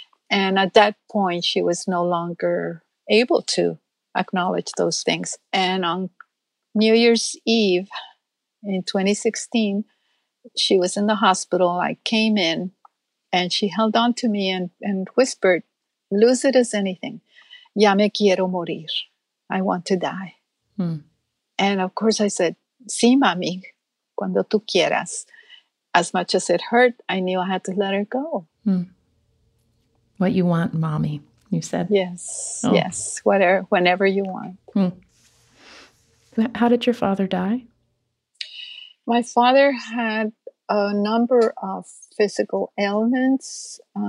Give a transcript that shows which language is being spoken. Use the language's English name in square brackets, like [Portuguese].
[English] And at that point, she was no longer able to acknowledge those things. And on New Year's Eve in 2016, she was in the hospital. I came in and she held on to me and whispered, lucid as anything, [Spanish] ya me quiero morir. [English] I want to die. Hmm. And of course, I said, [Spanish] sí, mami, cuando tú quieras. [English] As much as it hurt, I knew I had to let her go. Hmm. What you want, mommy, you said. Yes, oh. Yes, whenever you want. Hmm. How did your father die? My father had a number of physical ailments.